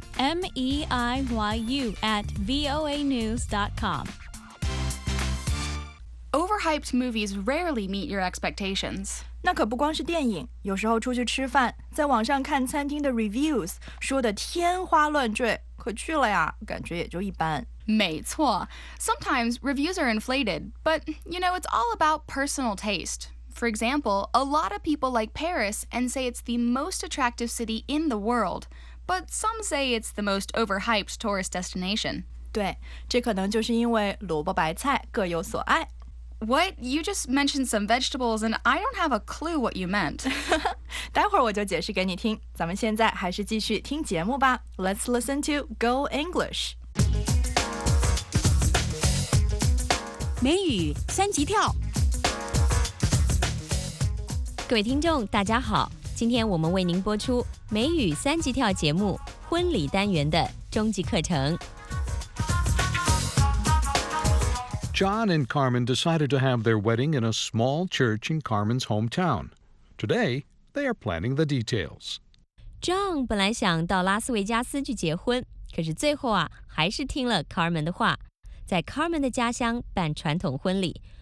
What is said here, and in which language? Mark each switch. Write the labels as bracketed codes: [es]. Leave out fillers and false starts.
[en] meiyu at voanews.com. Overhyped movies rarely meet your expectations. [zh] 那可不光是电影，有时候出去吃饭，在网上看餐厅的 reviews， 说的天花乱坠，可去了呀，感觉也就一般。没错 [en] ，Sometimes reviews are inflated, but you know it's all about personal taste. For example, a lot of people like Paris and say it's the most attractive city in the world, but some say it's the most overhyped tourist destination. [zh] 对，这可能就是因为萝卜白菜各有所爱。 [en] What? You just mentioned some vegetables, and I don't have a clue what you meant. [zh] 待会儿我就解释给你听。咱们现在还是继续听节目吧。 [en] Let's listen to Go English. [zh] 美语三级跳。各位听众，大家好。今天我们为您播出美语三级跳节目婚礼单元的终极课程。 [en] John and Carmen decided to have their wedding in a small church in Carmen's hometown. Today, they are planning the details. [zh] John 本来想到拉斯维加斯去结婚，可是最后啊，还是听了 Carmen 的话，在 Carmen 的家乡办传统婚礼。